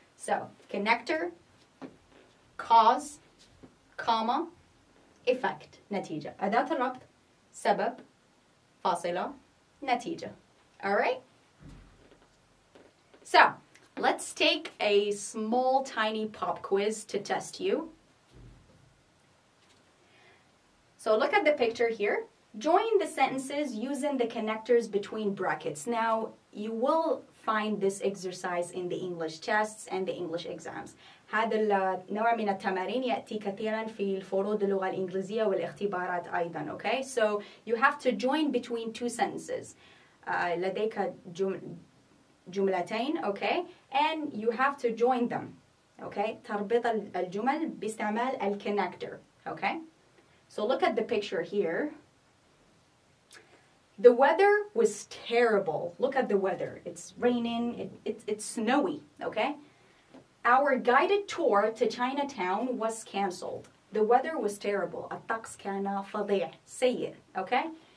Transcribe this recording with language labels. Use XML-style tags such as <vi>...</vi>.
<en>So, connector, cause, comma, effect, نتيجة.</en> <ar>أداة الربط, سبب, فاصلة, نتيجة.</ar> <en>Alright? So, let's take a small tiny pop quiz to test you. So look at the picture here. Join the sentences using the connectors between brackets. Now, you will find this exercise in the English tests and the English exams.</en> <ar>هذا النوع من التمارين يأتي كثيراً في الفروض اللغة الإنجليزية والاختبارات أيضاً, okay?</ar> <en>So, you have to join between two sentences.</en> <ar>لديك جملتين, okay?</ar> <en>And you have to join them, okay?</en> <ar>تربط الجمل باستعمال الكونكتر, okay?</ar> <en>So, look at the picture here. The weather was terrible. Look at the weather. It's raining. It's snowy, okay? Our guided tour to Chinatown was canceled. The weather was terrible.</en> <ar>الطقس كان فظيع. سيء, okay?</ar>